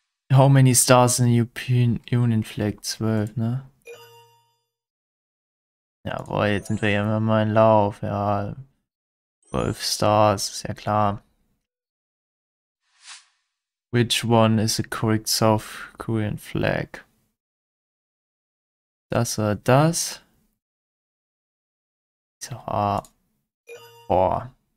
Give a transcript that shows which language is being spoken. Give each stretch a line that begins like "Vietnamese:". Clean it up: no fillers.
English: How many stars in the European Union flag?
German: 12, ne? Jawohl, jetzt sind wir ja immer mal im Lauf, ja.
English: 12 stars,
German: ist ja klar.
English: Which one is the correct South Korean flag?
German: Das oder das? So, boah.